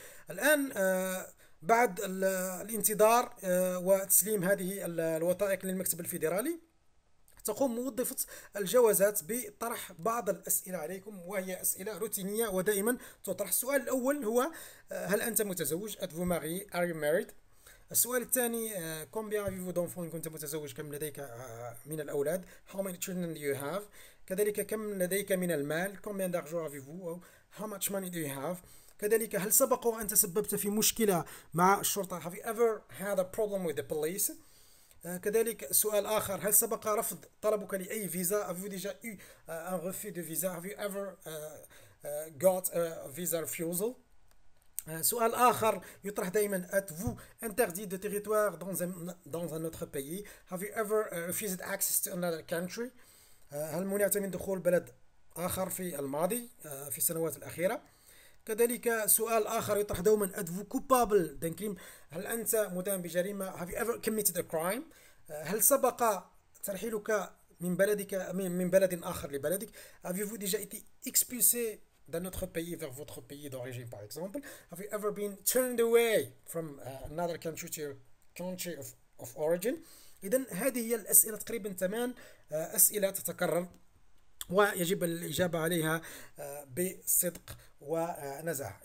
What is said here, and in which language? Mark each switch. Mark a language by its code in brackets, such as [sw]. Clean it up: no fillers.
[ar] الآن بعد الانتظار وتسليم هذه الوثائق للمكتب الفيدرالي، تقوم موظفة الجوازات بطرح بعض الأسئلة عليكم، وهي أسئلة روتينية ودائما تطرح. السؤال الأول هو هل أنت متزوج؟ [fr] Êtes-vous marié? [en] Are you married? [ar] السؤال الثاني [fr] Combien avez-vous d'enfants? [ar] إن كنت متزوج كم لديك من الأولاد؟ [en] How many children do you have? [ar] كذلك كم لديك من المال؟ [fr] Combien d'argent avez-vous? [en] How much money do you have? [ar] كذلك هل سبق وأن تسببت في مشكلة مع الشرطة؟ [en] Have you ever had a problem with the police? [ar] كذلك سؤال آخر، هل سبق رفض طلبك لأي فيزا؟ [fr] Have you déjà eu un refus de visa? [en] Have you ever got a visa refusal? [ar] سؤال آخر يطرح دائما، [fr] Êtes-vous interdit de territoire dans un autre pays? [en] Have you ever refused access to another country? [ar] هل منعت من دخول بلد آخر في الماضي في السنوات الأخيرة؟ كذلك سؤال آخر يطرح دوما، [fr] Êtes-vous coupable d'un crime؟ [ar] هل أنت مدان بجريمة؟ [en] Have you ever committed a crime؟ [ar] هل سبق ترحيلك من بلدك من بلد آخر لبلدك؟ [fr] Avez-vous déjà été expulsé d'un autre pays vers votre pays d'origine par exemple؟ [en] Have you ever been turned away from another country to your country of origin؟ [ar] إذن هذه هي الأسئلة، تقريبا 8 أسئلة تتكرر ويجب الإجابة عليها بصدق ونزاهة.